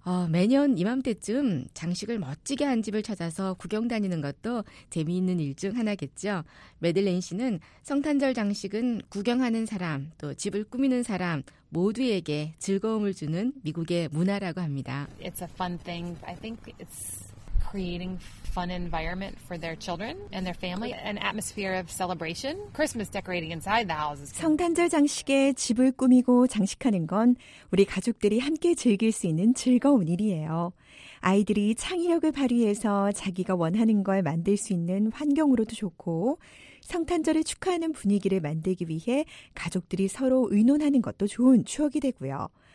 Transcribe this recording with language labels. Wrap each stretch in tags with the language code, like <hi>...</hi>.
<ko>매년 이맘때쯤 장식을 멋지게 한 집을 찾아서 구경 다니는 것도 재미있는 일 중 하나겠죠. 메들렌 씨는 성탄절 장식은 구경하는 사람, 또 집을 꾸미는 사람 모두에게 즐거움을 주는 미국의 문화라고 합니다.</ko> <en>It's a fun thing. I think it's creating fun environment for their children and their family, an atmosphere of celebration. Christmas decorating inside the house.</en> <ko>성탄절 장식에 집을 꾸미고 장식하는 건 우리 가족들이 함께 즐길 수 있는 즐거운 일이에요. 아이들이 창의력을 발휘해서 자기가 원하는 걸 만들 수 있는 환경으로도 좋고, 성탄절을 축하하는 분위기를 만들기 위해 가족들이 서로 의논하는 것도 좋은 추억이 되고요.</ko>